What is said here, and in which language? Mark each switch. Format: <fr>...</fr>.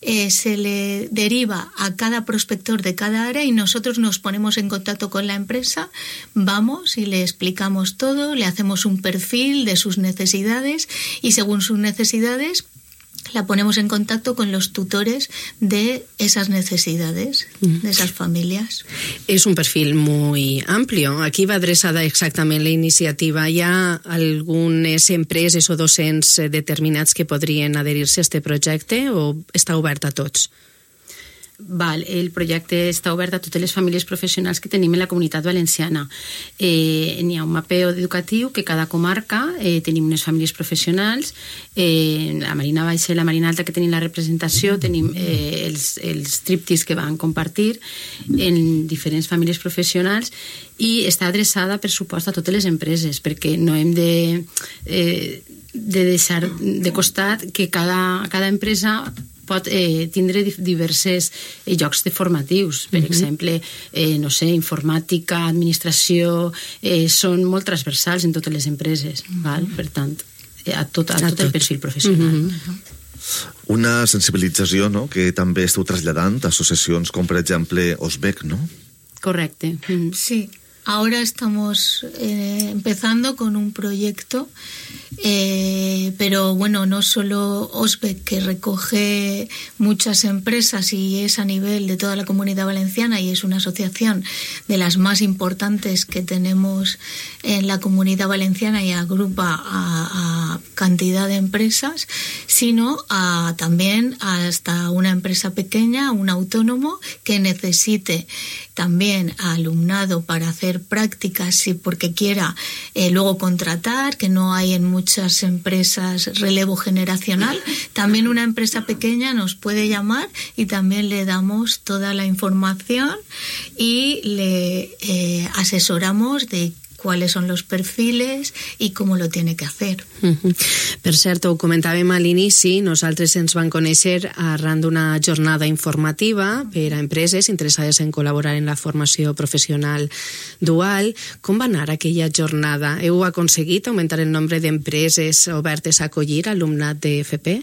<es>se le deriva a cada prospector de cada área y nosotros nos ponemos en contacto con la empresa, vamos y le explicamos todo, le hacemos un perfil de sus necesidades y según sus necesidades la ponemos en contacto con los tutores de esas necesidades, de esas familias.</es> <ca>És un perfil molt ampli. A qui va adreçada exactament la iniciativa? Hi ha algunes empreses o docents determinats que podrien adherir-se a este projecte o està obert a tots? Val, el projecte està obert a totes les famílies professionals que tenim en la Comunitat Valenciana. N'hi ha un mapeo educatiu que cada comarca tenim unes famílies professionals. La Marina Baixa i la Marina Alta que tenim la representació, tenim els triptis que van compartir en diferents famílies professionals i està adreçada, per supost, a totes les empreses perquè no hem de deixar de costat que cada empresa pot tindre diversos llocs de formatius, per exemple, no sé, informàtica, administració, són molt transversals en totes les empreses, val? Per tant, a tot el perfil professional. Una sensibilització, no?, que també esteu traslladant a associacions com, per exemple, OSBEC, no? Correcte.</ca> <es>Sí. Ahora estamos empezando con un proyecto Pero bueno, no solo OSBEC, que recoge muchas empresas y es a nivel de toda la Comunidad Valenciana y es una asociación de las más importantes que tenemos en la Comunidad Valenciana y agrupa a cantidad de empresas, sino a, también hasta una empresa pequeña, un autónomo que necesite también a alumnado para hacer prácticas y porque quiera luego contratar, que no hay en muchas empresas relevo generacional. También una empresa pequeña nos puede llamar y también le damos toda la información y le asesoramos de cuáles son los perfiles y cómo lo tiene que hacer.</es> <ca>Per cert, ho comentàvem a l'inici, nosaltres ens vam conèixer arran d'una jornada informativa per a empreses interessades en col·laborar en la formació professional dual. Com va anar aquella jornada? Heu aconseguit augmentar el nombre d'empreses obertes a acollir alumnat de FP?</ca>